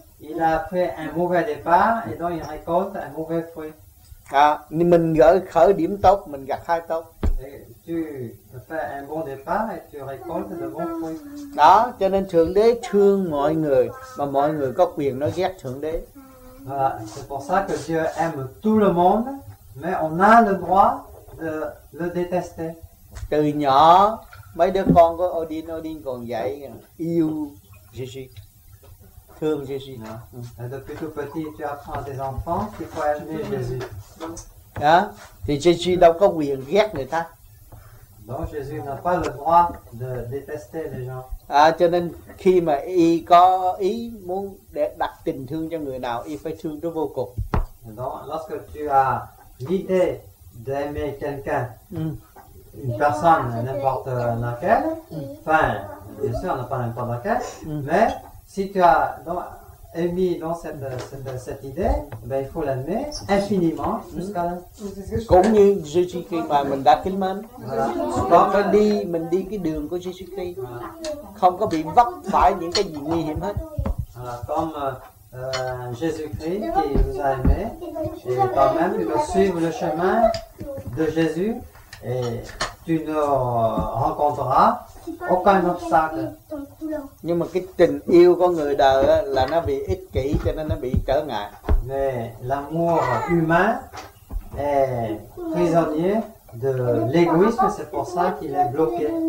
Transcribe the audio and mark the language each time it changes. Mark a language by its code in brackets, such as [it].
[fr] Il a fait un mauvais départ et donc il récolte un mauvais fruit. [vi] Ah, mình gỡ khởi điểm tốt, mình gặt hai tốt. [fr] Tu fais un bon départ et tu récoltes de bons fruits. [vi] Đó, cho nên Thượng Đế thương mọi người, mà mọi người có quyền nói ghét Thượng Đế. [fr] Voilà, c'est pour ça que Dieu aime tout le monde, mais on a le droit de le détester. [vi] Từ nhỏ, mấy đứa con của Odin, Odin còn dạy yêu Jésus. [fr] comme Jésus. Depuis tout petit, tu apprends à tes enfants qu'il faut aimer Jésus. Hein? Et Jésus n'a pas le droit de détester les gens. Donc Jésus n'a pas le droit de détester les gens. [vi] À, cho nên khi mà y có ý muốn để đặt tình thương cho người nào, y phải thương tới vô cùng. [fr] Donc, lorsque tu as l'idée d'aimer quelqu'un, une personne, n'importe laquelle, enfin, bien sûr, n'importe laquelle, mais si tu as donc, émis dans cette idée, ben, il faut l'aimer infiniment jusqu'à la... [vi] Cũng như Jésus-Christ mà mình đã kính mến. [fr] Quand on [vi] đi, mình đi cái đường của Jésus-Christ. Không có bị vấp phải những cái gì nguy hiểm hết. [fr] Comme Jésus-Christ qui vous a aimé, et toi-même, tu dois suivre le chemin de Jésus, et tu ne rencontreras aucun obstacle. [vi] Nhưng mà cái tình yêu của người đời là nó bị ích kỷ cho nên nó bị trở ngại. [fr] Mais l'amour humain est prisonnier de l'égoïsme, c'est pour ça qu'il est bloqué.